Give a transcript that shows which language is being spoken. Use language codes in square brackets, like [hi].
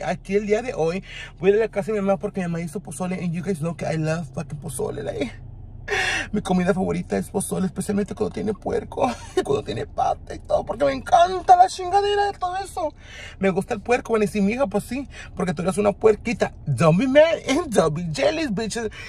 [es] Aquí el día de hoy voy a ir a la casa de mi mamá porque mi mamá hizo pozole. [en] And you guys know that I love fucking pozole, like. [es] Mi comida favorita es pozole, especialmente cuando tiene puerco y cuando tiene pata y todo, porque me encanta la chingadera de todo eso. Me gusta el puerco, van a decir, mija, pues sí, porque tú eres una puerquita. [en] Don't be mad and don't be jealous, bitches.